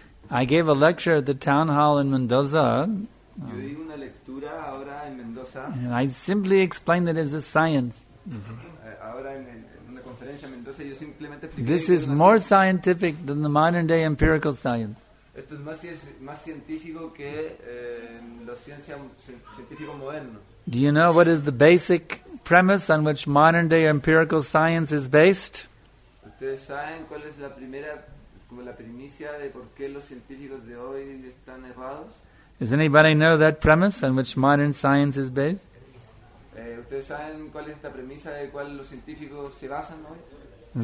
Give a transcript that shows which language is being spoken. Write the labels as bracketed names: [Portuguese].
[English] I gave a lecture at the town hall in Mendoza. [Spanish] Yo di una lectura ahora en Mendoza. [English] And I simply explained it as a science. [Spanish] Ahora en Mendoza, yo simplemente expliqué [English] this is more scientific than the modern day empirical science. [Spanish] Esto es más científico que la ciencia científico moderno. [English] Do you know what is the basic premise on which modern day empirical science is based? [Spanish] ¿Ustedes saben cuál es la primera como la primicia de por qué los científicos de hoy están errados. [English] Does anybody know that premise on which modern science is based? [Spanish] ¿Ustedes saben cuál es esta premisa de cuál los científicos se basan hoy?